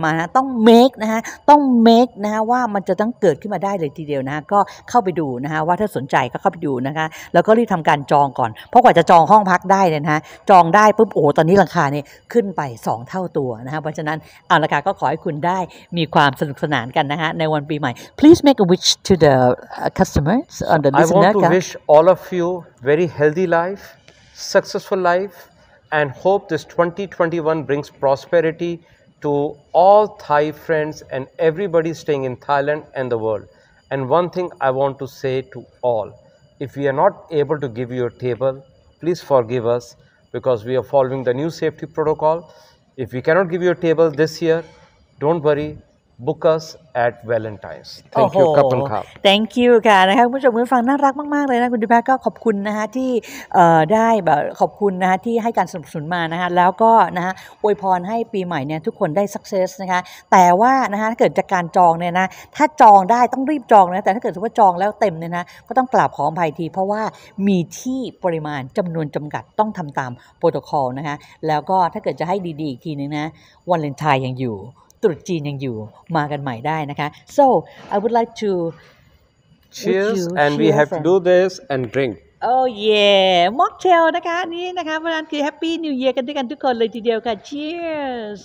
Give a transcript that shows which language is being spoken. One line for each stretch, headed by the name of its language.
Thai: มานะต้อง make นะฮะต้อง make นะฮะว่ามันจะต้องเกิดขึ้นมาได้เลยทีเดียวนะก็เข้าไปดูนะฮะว่าถ้าสนใจก็เข้าไปดูนะคะแล้วก็รีบทำการจองก่อนเพราะกว่าจะจองห้องพักได้เนี่ยนะจองได้ปุ๊บโอ้ตอนนี้ราคาเนี่ยขึ้นไป2เท่าตัวนะฮะเพราะฉะนั้นเอาละค่ะก็ขอให้คุณได้มีความสนุกสนานกันนะฮะในวันปีใหม่
English: please make a wish to the customers on the listener I want to wish all of you very healthy life successful lifeAnd hope this 2021 brings prosperity to all Thai friends and everybody staying in Thailand and the world. And one thing I want to say to all, if we are not able to give you a table, please forgive us because we are following the new safety protocol. If we cannot give you a table this year, don't worry. Book us at Valentine's. Thank you, Kap and Kap.
Thai: Thank you, ค่ะนะคะคุณผู้ชมคุณฟังน่ารักมากๆเลยนะคุณดิแพ็กก็ขอบคุณนะฮะที่ได้แบบขอบคุณนะฮะที่ให้การสนับสนุนมานะฮะแล้วก็นะฮะอวยพรให้ปีใหม่เนี่ยทุกคนได้ success นะคะแต่ว่านะฮะถ้าเกิดจากการจองเนี่ยนะถ้าจองได้ต้องรีบจองนะแต่ถ้าเกิดสมมติว่าจองแล้วเต็มเนี่ยนะก็ต้องกราบขออภัยทีเพราะว่ามีที่ปริมาณจำนวนจำกัดต้องทำตามโปรโตคอลนะคะแล้วก็ถ้าเกิดจะให้ดีๆอีกทีนึงนะวันเลนทายยังอยู่ตรุษจีนยังอยู่มากันใหม่ได้นะคะ
English: so I would like to cheers and we have to do this and drink
Thai: oh yeah mocktail นะคะนี่นะคะเพราะนั้นคือ
English: happy new year
Thai: กันด้วยกันทุกคนเลยทีเดียวค่ะ cheers